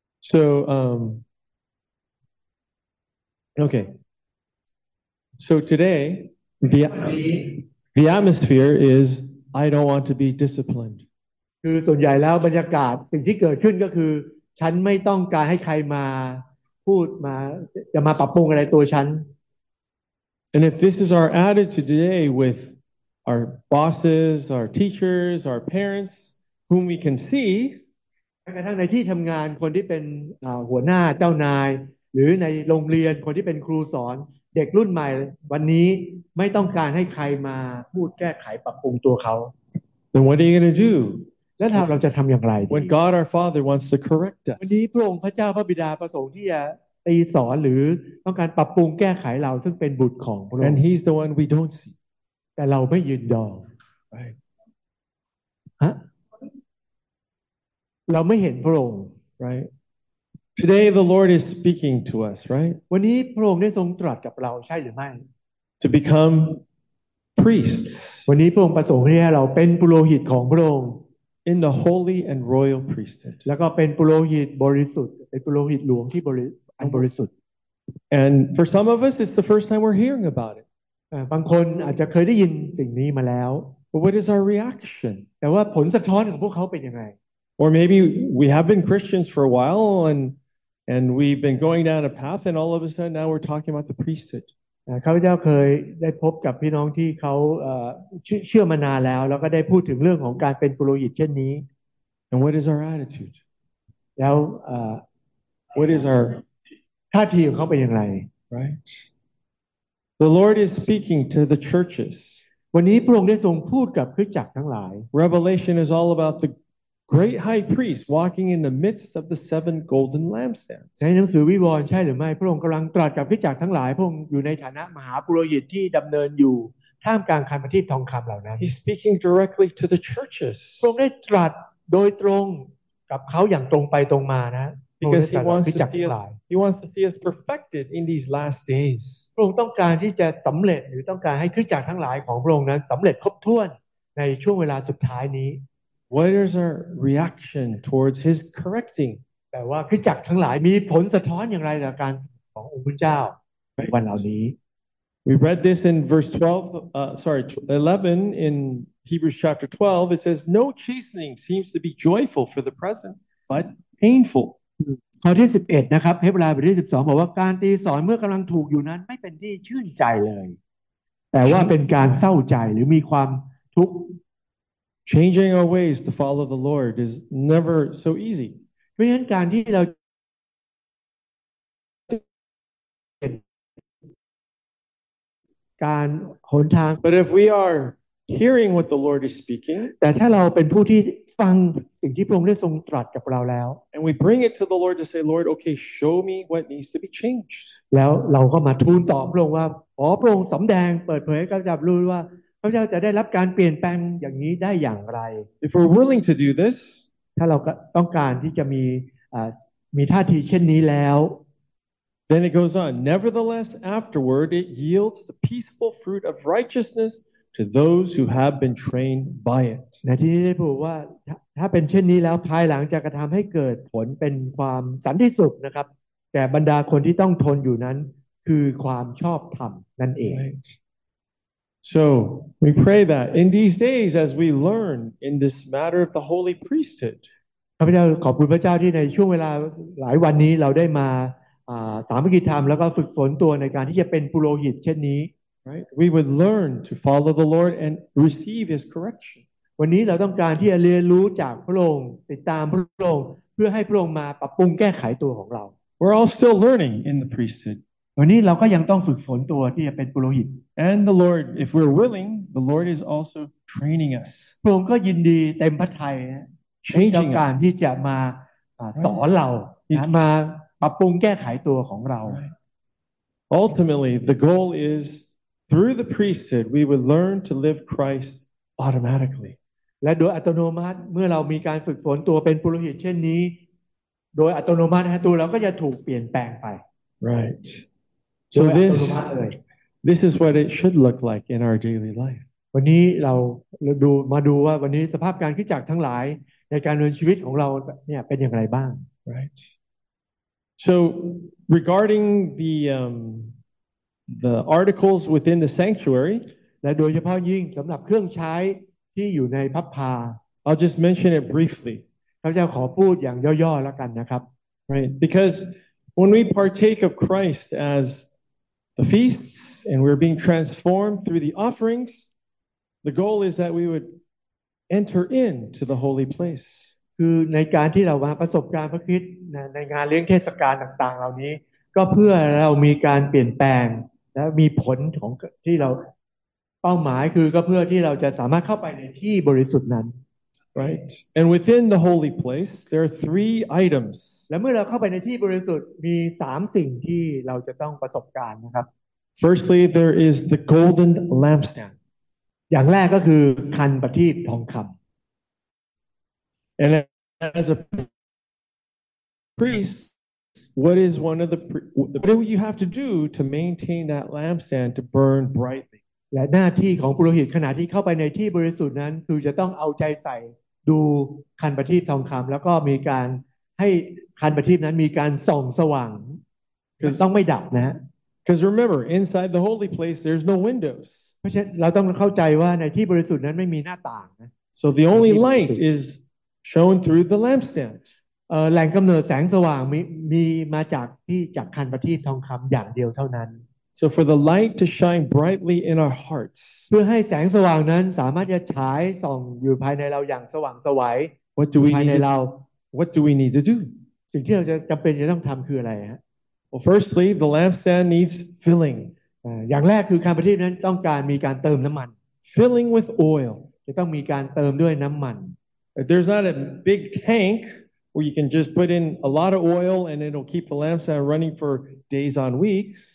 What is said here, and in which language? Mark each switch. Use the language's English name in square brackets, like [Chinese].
[English] So, okay. So today, the atmosphere is I don't want to be disciplined. [Thai] คือส่วนใหญ่แล้วบรรยากาศสิ่งที่เกิดขึ้นก็คือฉันไม่ต้องการให้ใครมาพูดมาจะมาปรับปรุงอะไรตัวฉัน [English] And if this is our attitude today with our bosses, our teachers, our parents, whom we can see. [Thai] แม้กระทั่งในที่ทำงานคนที่เป็นหัวหน้าเจ้านายหรือในโรงเรียนคนที่เป็นครูสอนเด็กรุ่นใหม่วันนี้ไม่ต้องการให้ใครมาพูดแก้ไขปรับปรุงตัวเขา [English] Then what are you going to do? [Thai] แล้วเราจะทำอย่างไร [English] When God our Father wants to correct us [Thai] วันนี้พระองค์พระเจ้าพระบิดาประสงค์ที่จะตีสอนหรือต้องการปรับปรุงแก้ไขเราซึ่งเป็นบุตรของพระองค์ [English] And he's the one we don't see [Thai] แต่เราไม่ยินยอมฮะเราไม่เห็นพระองค์ [English] right today the lord is speaking to us right [Thai] วันนี้พระองค์ได้ทรงตรัสกับเราใช่หรือไม่ [English] to become priests [Thai] วันนี้พระองค์ประสงค์ให้เราเป็นปุโรหิตของพระองค์ [English] in the holy and royal priesthood [Thai] แล้วก็เป็นปุโรหิตบริสุทธิ์เป็นปุโรหิตหลวงที่บริสุทธิ์ [English] and for some of us it's the first time we're hearing about it [Thai] บางคนอาจจะเคยได้ยินสิ่งนี้มาแล้ว [English] but what is our reaction [Thai] แต่ว่าผลสะท้อนของพวกเขาเป็นยังไง [English] Or maybe we have been Christians for a while and we've been going down a path and all of a sudden now we're talking about the priesthood. [Thai] ข้าพเจ้าเคยได้พบกับพี่น้องที่เขาเชื่อมานานแล้วแล้วก็ได้พูดถึงเรื่องของการเป็นปุโรหิตเช่นนี้ [English] And what is our attitude? [Thai] แล้ว [English] What is our [Thai] ท่าทีของเขาเป็นอย่างไร [English] Right. The Lord is speaking to the churches. [Thai] วันนี้พระองค์ได้ทรงพูดกับคริสตจักรทั้งหลาย [English] Revelation is all about theGreat High Priest walking in the midst of the seven golden lampstands. [Thai] ในหนังสือวิวรณ์ใช่หรือไม่พระองค์กำลังตรัสกับพิจารณ์ทั้งหลายพระองค์อยู่ในฐานะมหาปุโรหิตที่ดำเนินอยู่ท่ามกลางคันธีทองคำเหล่านั้น [English] He's speaking directly to the churches. [Thai] พระองค์ได้ตรัสโดยตรงกับเขาอย่างตรงไปตรงมานะ [English] Because he wants to feel he wants to feel perfected in these last days. [Thai] พระองค์ต้องการที่จะสำเร็จหรือต้องการให้พิจารณ์ทั้งหลายของพระองค์นั้นสำเร็จครบถ้วนในช่วงเวลาสุดท้ายนี้ [English] What is our reaction towards his correcting? [Thai] แปลว่าคริสตจักรทั้งหลายมีผลสะท้อนอย่างไรต่อการขององค์พระเจ้าในวันเหล่านี้ [English] We read this in verse 12 11 in Hebrews chapter 12 it says no chastening seems to be joyful for the present but painful [Thai] ข้อที่11นะครับเฮบรายบทที่12บอกว่าการตีสอนเมื่อกำลังถูกอยู่นั้นไม่เป็นที่ชื่นใจเลยแต่ว่าเป็นการเศร้าใจหรือมีความ ทุก [English] Changing our ways to follow the Lord is never so easy. [Thai] เพราะฉะนั้นการที่เราการหนทาง [English] But if we are hearing what the Lord is speaking, [Thai] แต่ถ้าเราเป็นผู้ที่ฟังสิ่งที่พระองค์ได้ทรงตรัสกับเราแล้ว [English] And we bring it to the Lord to say, Lord, okay, show me what needs to be changed. [Thai] แล้วเราก็มาทูลต่อพระองค์ว่าอ๋อพระองค์สำแดงเปิดเผยให้ข้าพเจ้ารู้ว่าข้าพเจ้าจะได้รับการเปลี่ยนแปลงอย่างนี้ได้อย่างไร [English] If we're willing to do this, [Thai] ถ้าเราต้องการที่จะมีท่าทีเช่นนี้แล้ว [English] Then it goes on. Nevertheless, afterward, it yields the peaceful fruit of righteousness to those who have been trained by it. [Thai] ในที่นี้ได้พูดว่าถ้าเป็นเช่นนี้แล้วภายหลังจะกระทำให้เกิดผลเป็นความสันติสุขนะครับแก่บรรดาคนที่ต้องทนอยู่นั้นคือความชอบธรรมนั่นเอง [English] Right. So we pray that in these days, as we learn in this matter of the holy priesthood, [Thai] ข้าพเจ้าขอบคุณพระเจ้าที่ในช่วงเวลาหลายวันนี้เราได้มาสามัคคีธรรมแล้วก็ฝึกฝนตัวในการที่จะเป็นปุโรหิตเช่นนี้ [English] right we would learn to follow the lord and receive his correction [Thai] วันนี้เราต้องการที่จะเรียนรู้จากพระองค์ติดตามพระองค์เพื่อให้พระองค์มาปรับปรุงแก้ไขตัวของเรา [English] we're all still learning in the priesthood [Thai] วันนี้เราก็ยังต้องฝึกฝนตัวที่จะเป็นปุโรหิต [English] and the lord if we're willing the lord is also training us [Thai] พระองค์ก็ยินดีเต็มพระทัย ใน การที่จะมาสอนเรามาปรับปรุงแก้ไขตัวของเรา [English] Ultimately the goal is through the priesthood we would learn to live Christ automatically [Thai] และโดยอัตโนมัติเมื่อเรามีการฝึกฝนตัวเป็นปุโรหิตเช่นนี้โดยอัตโนมัตินะตัวเราก็จะถูกเปลี่ยนแปลงไป [English] Right So this is what it should look like in our daily life [Thai] วันนี้เราดูมาดูว่าวันนี้สภาพการคิดจักทั้งหลายในการดำเนินชีวิตของเราเนี่ยเป็นอย่างไรบ้าง [English] RightSo regarding the articles within the sanctuary [Thai] และโดยเฉพาะยิ่งสำหรับเครื่องใช้ที่อยู่ในพัพพา [English] I'll just mention it briefly [Thai] ข้าพเจ้าขอพูดอย่างย่อๆแล้วกันนะครับ [English] right because when we partake of Christ as the feasts and we're being transformed through the offerings the goal is that we would enter into the holy place [Thai] คือในการที่เรามาประสบการณ์พระคริสต์ในงานเลี้ยงเทศกาลต่างๆเหล่านี้ก็เพื่อเรามีการเปลี่ยนแปลงและมีผลของที่เราเป้าหมายคือก็เพื่อที่เราจะสามารถเข้าไปในที่บริสุทธิ์นั้น [English] right and within the holy place there are three items [Thai] และเมื่อเราเข้าไปในที่บริสุทธิ์มี3สิ่งที่เราจะต้องประสบการณ์นะครับ [English] firstly there is the golden lampstand [Thai] อย่างแรกก็คือคันประทีปทองคำ [English] And as a priest, what is one of the what do you have to do to maintain that lampstand to burn brightly? [Thai] และหน้าที่ของปุโรหิตขณะที่เข้าไปในที่บริสุทธิ์นั้นคือจะต้องเอาใจใส่ดูคันประทีปทองคำแล้วก็มีการให้คันประทีปนั้นมีการส่องสว่างต้องไม่ดับนะ [English] Because remember, inside the holy place, there's no windows. [Thai] เพราะฉะนั้นเราต้องเข้าใจว่าในที่บริสุทธิ์นั้นไม่มีหน้าต่างนะ [English] So the only light is. Shown through the lampstand. [Thai] แหล่งกำเนิดแสงสว่างมีมาจากที่จากคันประทีปทองคำอย่างเดียวเท่านั้น [English] So for the light to shine brightly in our hearts. [Thai] เพื่อให้แสงสว่างนั้นสามารถจะฉายส่องอยู่ภายในเราอย่างสว่างไสว [English] What do we [Thai] ภายในเรา [English] What do we need to do? [Thai] สิ่งที่เราจำเป็นจะต้องทำคืออะไรฮะ [English] Well, firstly, the lampstand needs filling. [Thai] อย่างแรกคือคันประทีปนั้นต้องการมีการเติมน้ำมัน [English] Filling with oil. [Thai] จะต้องมีการเติมด้วยน้ำมัน [English] There's not a big tank where you can just put in a lot of oil and it'll keep the lampstand running for days on weeks.